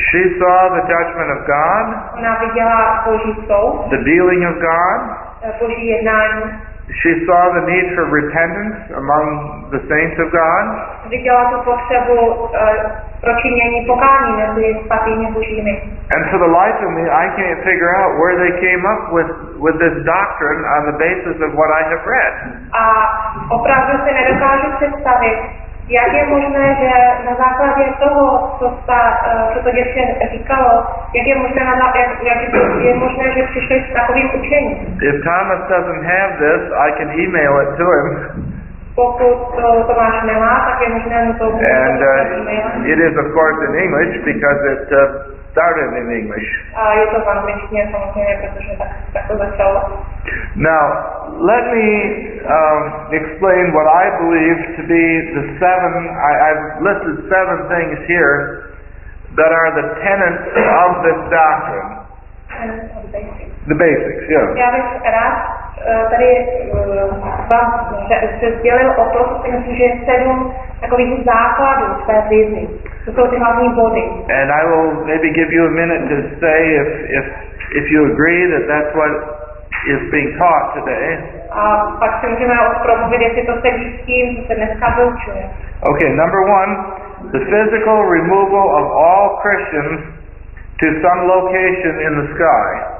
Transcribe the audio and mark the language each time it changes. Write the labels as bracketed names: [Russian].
[English] She saw the judgment of God. [Czech] Ona viděla Boží soud. [English] The dealing of God. [Czech] Boží jednání. [English] She saw the need for repentance among the saints of God. [Czech] Viděla tu potřebu pročinění pokání mezi svatými Božími. [English] And for the life of me, I can't figure out where they came up with this doctrine on the basis of what I have read. [Czech] A opravdu se nedokážu představit, jak je možné, že na základě toho, co to děvče říkalo, jak je možné, že přišli s takovým učením. [English] If Thomas doesn't have this, I can email it to him. [Czech] Pokud Tomáš nemá, tak je možné mu to e-mail. [English] And it is of course in English because it started in English. [Czech] A je to v angličtině samozřejmě, protože tak to začalo. [English] Now, let me explain what I believe to be the seven, I've listed seven things here that are the tenets of this doctrine. The basics. The basics, yeah. [Czech] Já bych rád tady vám sdělil o to, co si myslím, že je sedm takových základů své vizi. To jsou ty hlavní body. [English] And I will maybe give you a minute to say if if you agree that that's what is being taught today. [Czech] A pak si můžeme prozvědět, jestli to sedí s tím, co se dneska vyučuje. [English] Okay, number one, the physical removal of all Christians to some location in the sky.